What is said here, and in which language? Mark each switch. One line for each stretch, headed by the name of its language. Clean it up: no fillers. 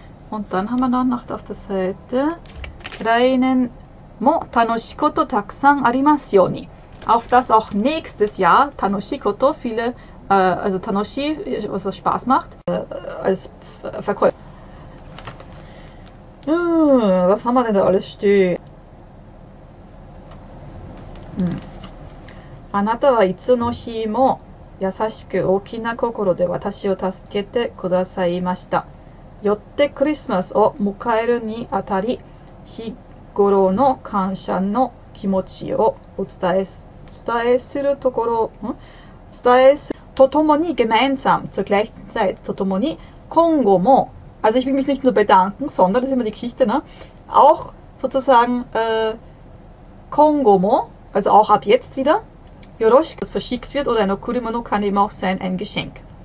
German: Und dann haben wir dann noch auf der Seite.
Japanese: Rainen mo tanoshikoto taksan arimasu yo ni.
German: Auf das auch nächstes Jahr Tanoshikoto viele, also Tanoshi, was Spaß macht, als Verkäufer. Was haben wir denn da alles stehen?
Japanese: あなたはいつの日も優しく大きな心で私を助けてくださいました。よってクリスマスを迎えるにあたり、日頃の感謝の気持ちをお伝えす。伝えするところ、ん? 伝えす、とともに、
German: gemeinsam, zur gleichen Zeit,
Japanese: とともに、今後も、
German: also ich will mich nicht nur bedanken, sondern, das ist immer die Geschichte, ne? Auch, sozusagen,
Japanese: 今後も、
German: also auch ab jetzt wieder,
Japanese: よろしく、
German: das verschickt wird, oder ein Okurimono kann eben auch sein, ein Geschenk.